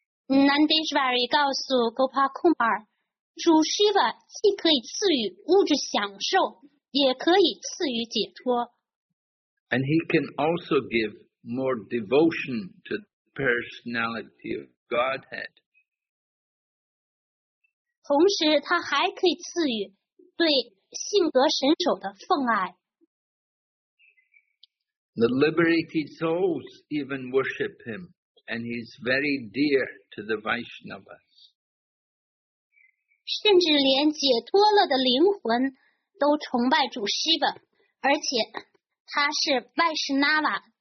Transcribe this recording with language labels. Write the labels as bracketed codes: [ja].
[zh] Nandeshwara 告诉 Gopa Kumar，主 Shiva 既可以赐予物质享受，也可以赐予解脱。 [en] And he can also give more devotion to the personality of Godhead. [zh] 同时他还可以赐予对性格神手的奉爱。 [en] The liberated souls even worship him, and he's very dear to the Vaishnavas. [zh] 甚至连解脱了的灵魂都崇拜主 Shiva， 而且他是 Vaishnava